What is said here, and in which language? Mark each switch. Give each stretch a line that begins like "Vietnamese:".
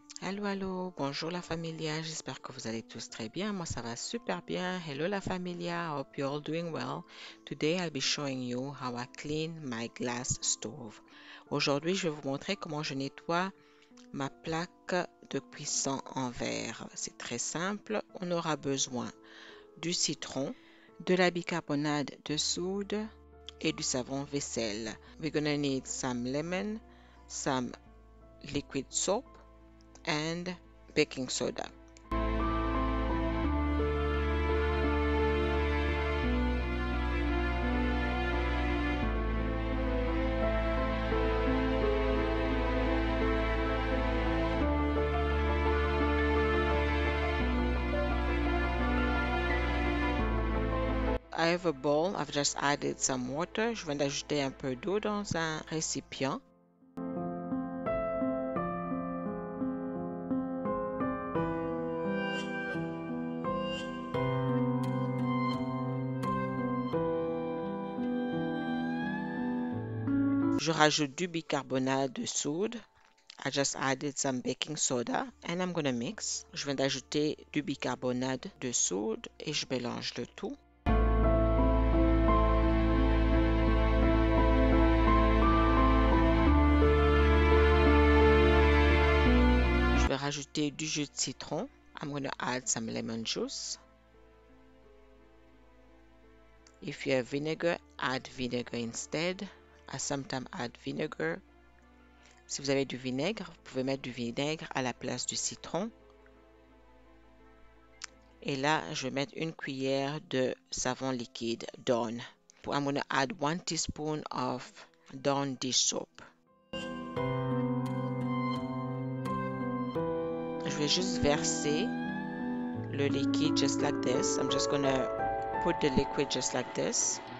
French: Allô, allô, bonjour la familia, j'espère que vous allez tous très bien. Moi, ça va super bien.
English: Hello la familia, hope you're all doing well. Today, I'll be showing you how I clean my glass stove.
French: Aujourd'hui, je vais vous montrer comment je nettoie ma plaque de cuisson en verre. C'est très simple. On aura besoin du citron, de la bicarbonate de soude et du savon vaisselle.
English: We're gonna need some lemon, some liquid soap and baking soda. I have a bowl. I've just added some water.
French: Je viens d'ajouter un peu d'eau dans un récipient. Je rajoute du bicarbonate de soude.
English: I just added some baking soda and I'm gonna mix.
French: Je viens d'ajouter du bicarbonate de soude et je mélange le tout. Je vais rajouter du jus de citron.
English: I'm gonna add some lemon juice. If you have vinegar, add vinegar instead. I sometimes add vinegar.
French: Si vous avez du vinaigre, vous pouvez mettre du vinaigre à la place du citron. Et là, je vais mettre une cuillère de savon liquide Dawn.
English: I'm going to add 1 teaspoon of Dawn dish soap.
French: Je vais juste verser le liquide
English: just like this. I'm just going to put the liquid just like this.